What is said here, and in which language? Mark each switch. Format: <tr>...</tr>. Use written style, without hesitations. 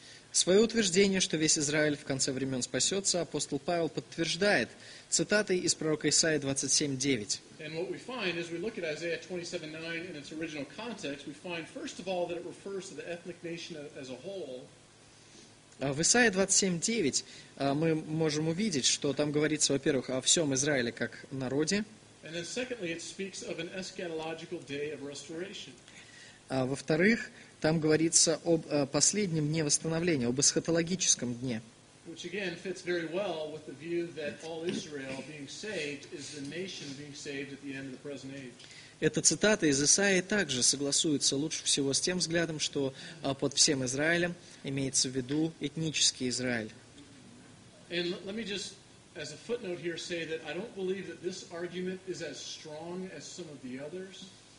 <ru>Свое утверждение, что весь Израиль в конце времен спасется, апостол Павел подтверждает цитатой из пророка Исаии 27:9.</ru> <en>And what we find as we look at Isaiah 27:9 in its original context, we find first of all that it refers to the ethnic nation as a whole.</en> <ru>В Исаии 27:9 мы можем увидеть, что там говорится, во-первых, о всем Израиле как народе.</ru> <en>And then secondly, it speaks of an eschatological day of restoration.</en> <ru>Во-вторых, там говорится об последнем дне восстановления, об эсхатологическом дне.</ru> <en>Which again fits very well with the view that all Israel being saved is the nation being saved at the end of the present age.</en> <ru>Эта цитата из Исаии также согласуется лучше всего с тем взглядом, что под всем Израилем имеется в виду этнический Израиль.</ru> <en>And let me just, as a footnote here, say that I don't believe that this argument is as strong as some of the others.</en>